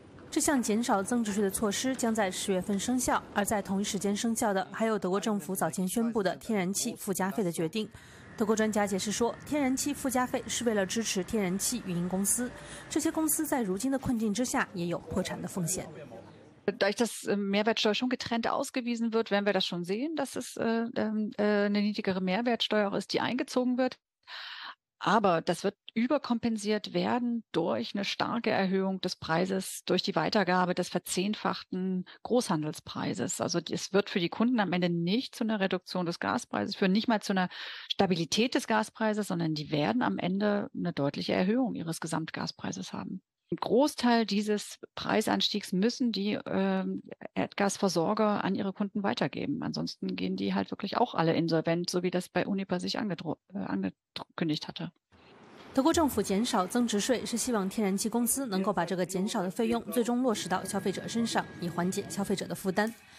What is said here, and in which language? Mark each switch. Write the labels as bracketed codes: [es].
[zh] 这项减少增值税的措施将在10月生效，而在同一时间生效的还有德国政府早前宣布的天然气附加费的决定。德国专家解释说，天然气附加费是为了支持天然气运营公司，这些公司在如今的困境之下也有破产的风险。 [de] Dadurch, dass Mehrwertsteuer schon getrennt ausgewiesen wird, werden wir das schon sehen, dass es eine niedrigere Mehrwertsteuer ist, die eingezogen wird. Aber das wird überkompensiert werden durch eine starke Erhöhung des Preises, durch die Weitergabe des verzehnfachten Großhandelspreises. Also es wird für die Kunden am Ende nicht zu einer Reduktion des Gaspreises führen, nicht mal zu einer Stabilität des Gaspreises, sondern die werden am Ende eine deutliche Erhöhung ihres Gesamtgaspreises haben. Ein Großteil dieses Preisanstiegs müssen die Erdgasversorger an ihre Kunden weitergeben. Ansonsten gehen die halt wirklich auch alle insolvent, so wie das bei Uniper sich angekündigt hatte. [zh] 德国政府减少增值税是希望天然气公司能够把这个减少的费用最终落实到消费者身上，以缓解消费者的负担。